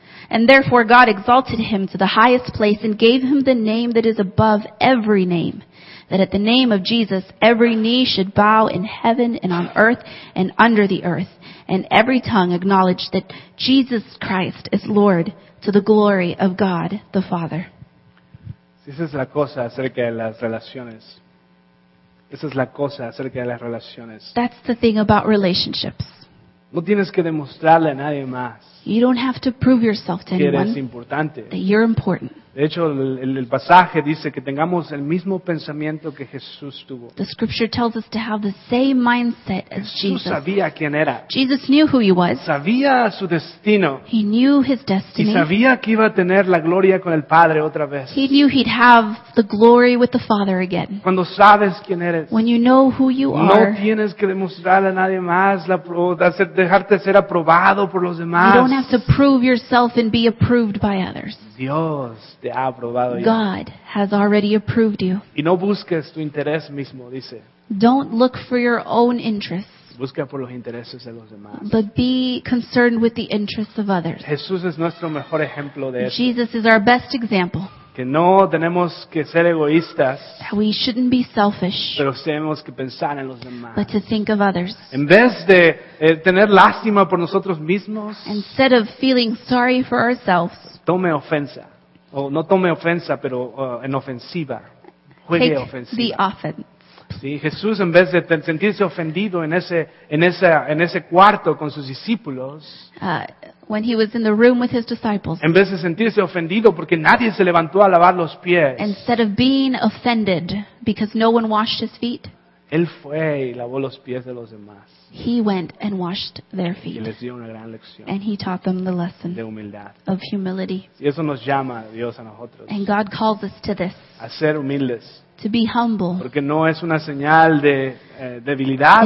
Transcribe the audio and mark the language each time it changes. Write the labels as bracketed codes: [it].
[en] And therefore God exalted him to the highest place and gave him the name that is above every name, that at the name of Jesus every knee should bow in heaven and on earth and under the earth, and every tongue acknowledge that Jesus Christ is Lord, to the glory of God the Father. [es] Esa es la cosa acerca de las relaciones. Esa es la cosa acerca de las relaciones. [en] That's the thing about relationships. [es] No tienes que demostrarle a nadie más. [en] You don't have to prove yourself to anyone that you're important. [es] De hecho, el pasaje dice que tengamos el mismo pensamiento que Jesús tuvo. [en] The scripture tells us to have the same mindset as Jesus. [es] Jesús sabía quién era. [en] Jesus knew who he was. [es] Sabía su destino. [en] He knew his destiny. [es] Y sabía que iba a tener la gloria con el Padre otra vez. [en] He knew he'd have the glory with the Father again. [es] Cuando sabes quién eres. [en] When you know who you [es] no [en] are. [es] No tienes que demostrarle a nadie más, dejarte ser aprobado por los demás. [en] You don't have to prove yourself and be approved by others. [es] Dios te ha aprobado ya. [en] God has already approved you. [es] Y no busques tu interés mismo, dice. [en] Don't look for your own interests. [es] Busca por los intereses de los demás. [en] But be concerned with the interests of others. [es] Jesús es nuestro mejor ejemplo de esto. [en] Jesus is our best example. [es] Que no tenemos que ser egoístas. [en] That we shouldn't be selfish. [es] Pero tenemos que pensar en los demás. [en] But to think of others. [es] En vez de tener lástima por nosotros mismos. [en] Instead of feeling sorry for ourselves. [es] Tome ofensa. O no tome ofensa, pero en ofensiva. Juegue [en] take [es] ofensiva. [en] The offense. [es] Sí, Jesús, en vez de sentirse ofendido en ese cuarto con sus discípulos. [en] When he was in the room with his disciples. [es] En vez de sentirse ofendido porque nadie se levantó a lavar los pies. [en] Instead of being offended because no one washed his feet. [es] Él fue y lavó los pies de los demás. [en] He went and washed their feet. [es] Y les dio una gran lección. [en] And he taught them the lesson [es] de humildad. [en] Of humility. [es] Y eso nos llama a Dios a nosotros. [en] And God calls us to this. [es] A ser humildes. [en] To be humble. [es] Porque no es una señal de debilidad.